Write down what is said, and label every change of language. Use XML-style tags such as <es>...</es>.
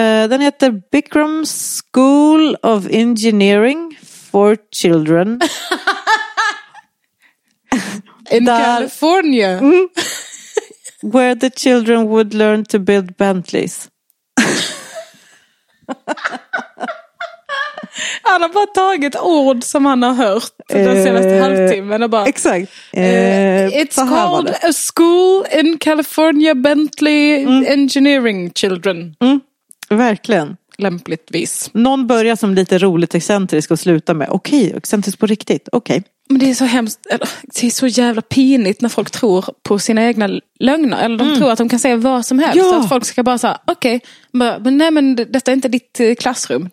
<sv>Den heter Bikram School of Engineering for Children.</sv> <en>In California. Mm, where the children would learn to build Bentleys.</en> <sv>Han har bara tagit ord som han har hört den senaste halvtimmen och bara... Exakt.</sv> <en>It's called a school in California Bentley Engineering Children.</en> <sv>Mm. Verkligen. Lämpligtvis. Någon börjar som lite roligt excentrisk och slutar med okej, excentrisk på riktigt, okej. Men det är så hemskt, eller, det är så jävla pinigt när folk tror på sina egna lögner. Eller de tror att de kan säga vad som helst. Ja. Att folk ska bara säga, okej, men nej, men detta är inte ditt klassrum.</sv>